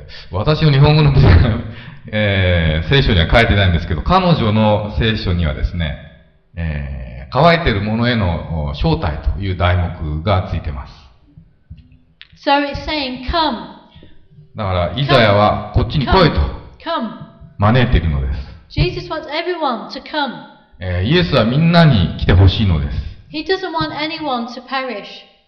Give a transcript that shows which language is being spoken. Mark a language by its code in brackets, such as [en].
[ja] 私の日本語の、聖書には書いてないんですけど、彼女の聖書にはですね、乾いている者への招待という題目がついてます。 [en] So it's saying, come. [ja] だから、イザヤはこっちに来いと [en] come. [ja] 招いているのです。 [en] Jesus wants everyone to come. [ja] イエスはみんなに来てほしいのです。 [en] He doesn't want anyone to perish.